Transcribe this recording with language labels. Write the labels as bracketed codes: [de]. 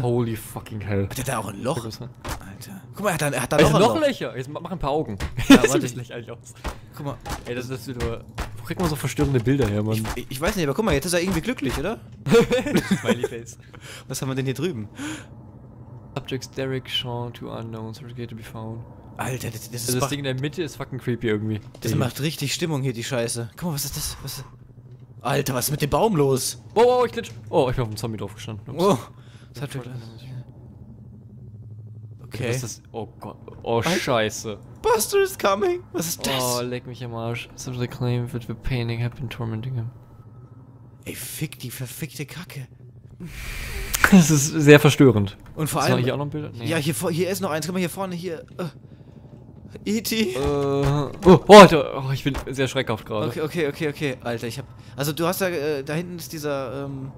[en] Holy fucking hell. [de] Hat der da auch ein Loch? Alter. Guck mal, er hat da noch ein Loch. Löcher. Jetzt mach ein paar Augen. Ja, warte. Guck mal. Ey, das ist nur. Wo kriegt man so verstörende Bilder her, Mann? Ich weiß nicht, aber guck mal, jetzt ist er irgendwie glücklich, oder? [en] Smiley Face. [de] Was haben wir denn hier drüben? [en] Subjects Derek Shaw, two unknowns, certificate to be found. [de] Alter, das Ding in der Mitte ist fucking creepy irgendwie. Das macht richtig Stimmung hier, die Scheiße. Guck mal, was ist das? Alter, was ist mit dem Baum los? Wow, ich glitch. Oh, ich bin auf dem Zombie drauf gestanden. Ups. Oh, was hat das? Okay. Was ist das? Oh Gott. Oh, Scheiße. [en] Buster is coming. [de] Was ist das? Oh, leck mich am Arsch. [en] Some of the claim that the painting had been tormenting him. [de] Ey, fick die verfickte Kacke. Das ist sehr verstörend. Und vor allem. Ist hier auch noch ein Bild? Nee. Ja, hier ist noch eins. Guck mal, hier vorne, hier. E.T. Alter, ich bin sehr schreckhaft gerade. Okay, Alter, ich hab. Also, du hast da hinten ist dieser.